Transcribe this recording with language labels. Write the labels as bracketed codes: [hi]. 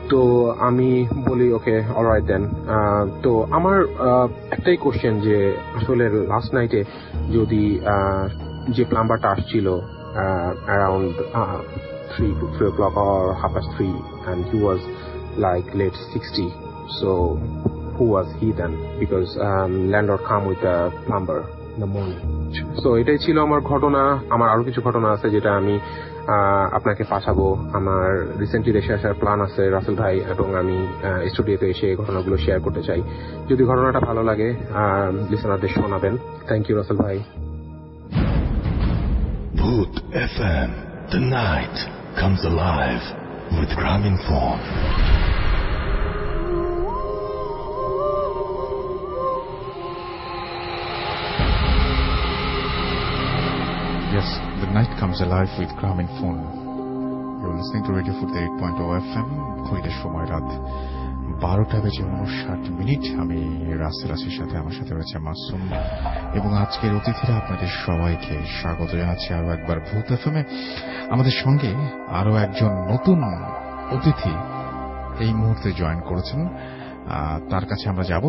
[bn] তো আমি বলি ওকে অলরাইট দেন। তো আমার একটাই কোশ্চেন যে আসলে লাস্ট নাইটে যদি যে প্লাম্বারটা আসছিল around [en] 3 o'clock or 3:30, and he was like late 60, so who was he then? Because landlord came with the plumber in the morning. [bn] So এটাই ছিল আমার ঘটনা। আমার আরো কিছু ঘটনা আছে যেটা আমি আপনাকে পাঠাবো। আমার রিসেন্টলি দেশে আসার প্ল্যান আছে রাসেল ভাই, এবং আমি স্টুডিওতে এসে ঘটনাগুলো শেয়ার করতে চাই। যদি ঘটনাটা ভালো লাগে লিসেনারদের শোনাবেন। থ্যাংক ইউ রাসেল ভাই। [en] Bhoot FM, the night comes alive with Gramophone. Yes, the night comes alive with Gramophone. You're listening to Radio Foot 8.0 FM. [bn] Khoide shomoy rat 12টা বেজে 59 মিনিট। আমি রাসেল আসির সাথে, আমার সাথে রয়েছে মাসুম, এবং আজকের অতিথিরা আপনাদের সবাইকে স্বাগত জানাচ্ছি আরো একবার ভূত এফএম এ। আমাদের সঙ্গে আরো একজন নতুন অতিথি এই মুহূর্তে জয়েন করেছেন, তার কাছে আমরা যাব।